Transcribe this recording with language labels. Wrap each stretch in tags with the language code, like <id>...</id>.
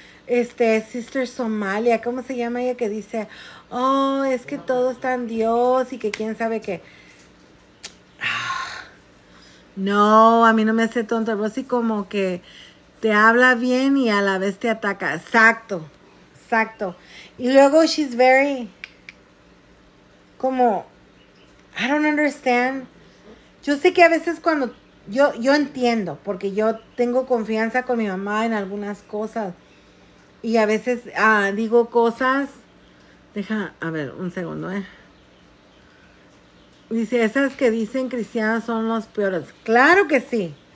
<es>Sister Somalia, ¿cómo se llama ella? Que dice, oh, es que todo está en Dios y que quién sabe qué. No, a mí no me hace tonto. Pero sí como que te habla bien y a la vez te ataca. Exacto, exacto. Y luego</es> <en>she's very,</en> <es>como,</es> <en>I don't understand.</en> <es>Yo sé que a veces cuando, yo entiendo, porque yo tengo confianza con mi mamá en algunas cosas. Y a veces digo cosas, deja, a ver, un segundo, Dice, esas que dicen cristianas son los peores. Claro que sí.</es>